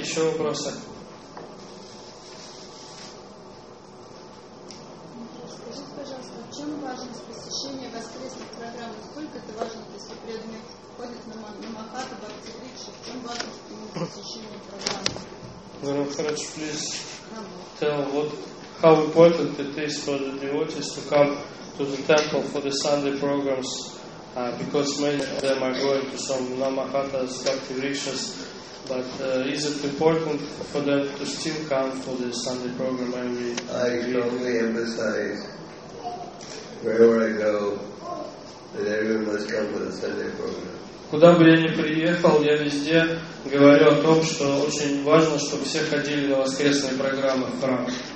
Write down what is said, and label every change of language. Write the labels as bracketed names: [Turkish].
[Russian] Еще вопросы? Скажите, пожалуйста, в чем важность посещения воскресных программ? Сколько это важно, если преданный ходит на Махата Бхактивикши? В чем важность посещения программы? [English] Guru Maharaj, please tell what, how important it is for the devotees to come to the temple for the Sunday programs, because many of them are going to some Namahatas, Bhakti Rikshas, but is it important for them to still come for the Sunday program every week? I strongly emphasize wherever I go that everyone must come for the Sunday program. [Russian] Куда бы я ни приехал, я везде говорю о том, что очень важно, чтобы все ходили на воскресные программы в храм.